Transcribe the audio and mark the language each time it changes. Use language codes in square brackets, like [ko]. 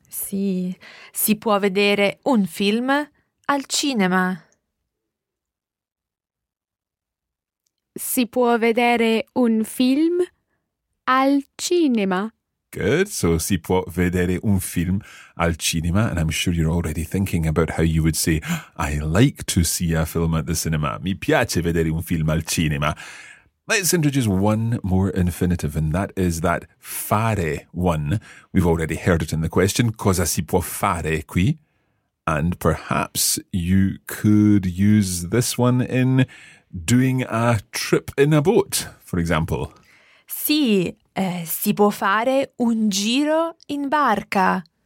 [it] Sì, si può vedere un film al cinema. Si può vedere un film al cinema. [en] Good. [it] So si può vedere un film al cinema. [en] And I'm sure you're already thinking about how you would say, I like to see a film at the cinema. [it] Mi piace vedere un film al cinema. [en] Let's introduce one more infinitive, and that is that fare one. We've already heard it in the question, [it] cosa si può fare qui? [en] And perhaps you could use this one in doing a trip in a boat, for example. [it] Sì, si può fare un giro in barca.